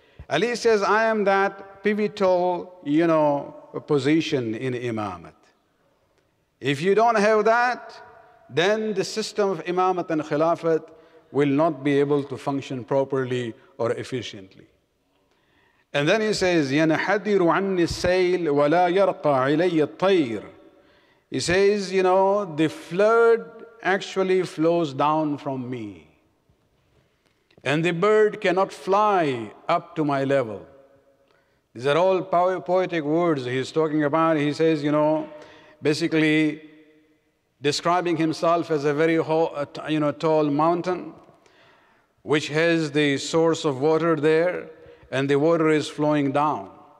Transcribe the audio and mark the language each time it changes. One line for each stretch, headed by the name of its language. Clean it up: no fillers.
English: Ali says, I am that pivotal, you know, position in imamat. If you don't have that, then the system of imamat and khilafat will not be able to function properly or efficiently.
Arabic: And then he says, ينحدر عني السيل ولا يرقى علي الطير.
English: He says, you know, the flood actually flows down from me. And the bird cannot fly up to my level. These are all poetic words he's talking about. He says, you know, basically describing himself as a very tall mountain, which has the source of water there, and the water is flowing down.